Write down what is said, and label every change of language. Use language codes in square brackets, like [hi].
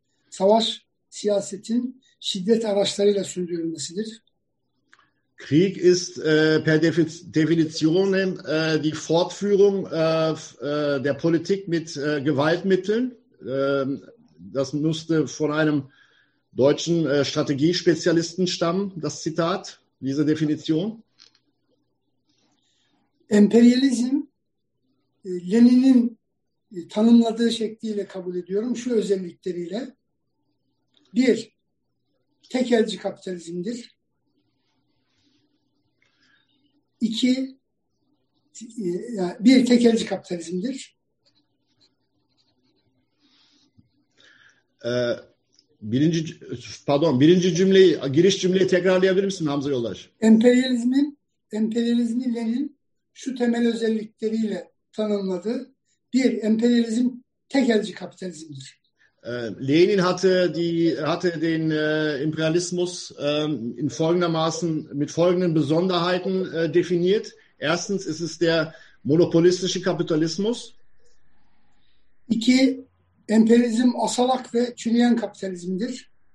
[tr] Savaş siyasetin şiddet araçlarıyla sürdürülmesidir. [de] Krieg ist per Definition die Fortführung der Politik mit Gewaltmitteln. Das müsste von einem deutschen Strategiespezialisten stammen, das Zitat, diese Definition. [tr] Emperyalizm, Lenin'in tanımladığı şekliyle kabul ediyorum şu özellikleriyle. Bir, tekelci kapitalizmdir. İki, bir tekelci kapitalizmdir. Birinci cümleyi, giriş cümleyi tekrarlayabilir misin Hamza Yoldaş? Emperyalizmi Lenin şu temel özellikleriyle tanımladı. Bir, emperyalizm tekelci kapitalizmdir. [de] Lenin hatte den Imperialismus in folgendermaßen mit folgenden Besonderheiten definiert. Erstens ist es der monopolistische Kapitalismus. [tr] İki, emperyalizm asalak ve çürüyen kapitalizmdir.